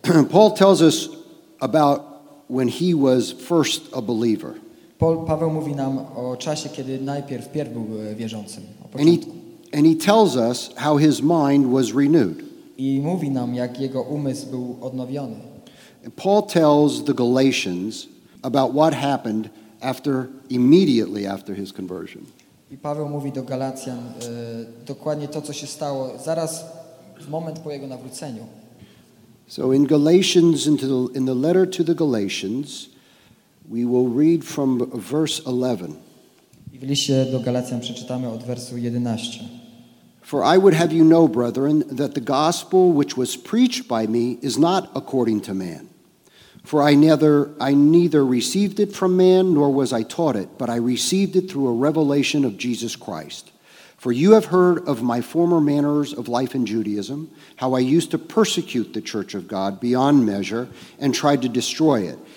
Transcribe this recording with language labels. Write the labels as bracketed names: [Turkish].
[English] Paul tells us about when he was first a believer. [Polish] Paweł mówi nam o czasie, kiedy najpierw był wierzącym. [English] And he tells us how his mind was renewed. [Polish] I mówi nam, jak jego umysł był odnowiony. [English] Paul tells the Galatians about what happened immediately after his conversion. [Polish] I Paweł mówi do Galacjan dokładnie to, co się stało zaraz w moment po jego nawróceniu. [English] So in Galatians, in the letter to the Galatians, we will read from verse 11. [Polish] I w liście do Galacjan przeczytamy od wersu 11. [English] For I would have you know, brethren, that the gospel which was preached by me is not according to man. For I neither received it from man, nor was I taught it, but I received it through a revelation of Jesus Christ. For you have heard of my former manners of life in Judaism, how I used to persecute the church of God beyond measure and tried to destroy it.